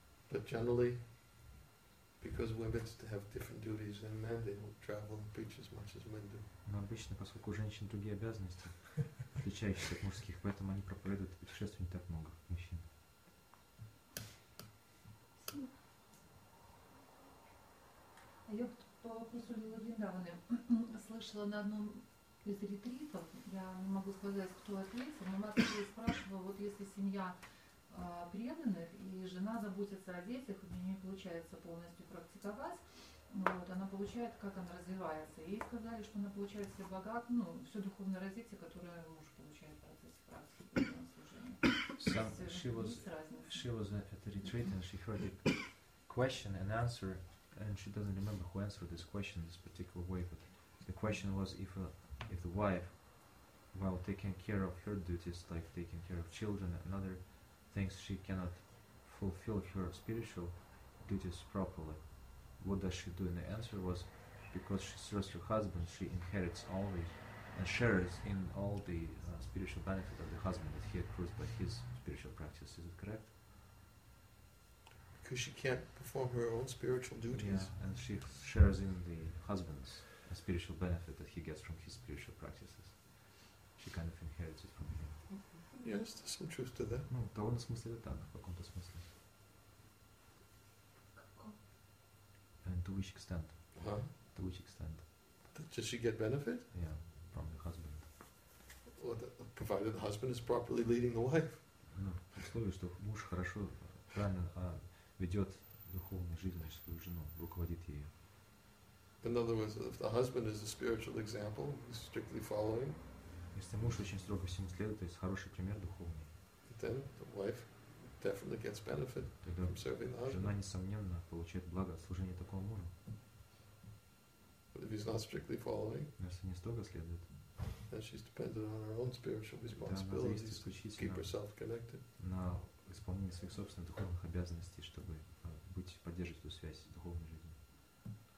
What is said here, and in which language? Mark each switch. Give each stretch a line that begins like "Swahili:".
English: But generally, because women have different duties than men, they don't travel and preach as much as men do.
Russian: Но обычно, поскольку у женщин другие обязанности, отличающиеся от мужских, поэтому они проповедуют и путешествуют не так много, мужчин. Я по вопросу Лилы Вриндаваны слышала на одном из ретритов, я не могу сказать, кто ответил, но Матвей спрашивала, вот если семья преданных, и жена заботится о детях, у нее не получается полностью практиковать, вот, она получает, как она развивается. Ей сказали, что она получает все богатство, все духовное развитие, которое муж получает в процессе практики.
English: She was at a retreat and she heard a question and answer, and she doesn't remember who answered this question in this particular way, but the question was if the wife while taking care of her duties, like taking care of children and other things, she cannot fulfill her spiritual duties properly. What does she do? And the answer was, because she serves her husband, she inherits all the and shares in all the spiritual benefit of the husband that he accrues by his spiritual practice. Is it correct? Because she can't perform her own spiritual duties. Yeah, and she shares in the husband's spiritual benefit that he gets from his spiritual practices. She kind of inherits it from him. Mm-hmm. Yes, there's some truth to that.
Russian: Ну, в довольно смысле это так, в каком-то смысле. Как?
English: And to which extent? Huh? To which extent? Does she get benefit? Yeah, from the husband. Well, provided the husband is properly leading the wife.
Russian: Ну, условие, что муж хорошо, правильно ведет духовную жизнь свою жену, руководит ею.
English: In other words, if the husband is a spiritual example, he's strictly following.
Russian: Если муж очень строго всему следует, то есть хороший пример духовный.
English: Then the wife definitely gets benefit from serving the husband.
Russian: Жена несомненно получает благо от служения такого мужа.
English: But if he's not strictly following,
Russian: если не строго следует,
English: then she's dependent on her own spiritual responsibilities to keep herself connected.
Russian: На исполнение своих собственных духовных обязанностей, чтобы быть поддерживать эту связь с духовной жизнью.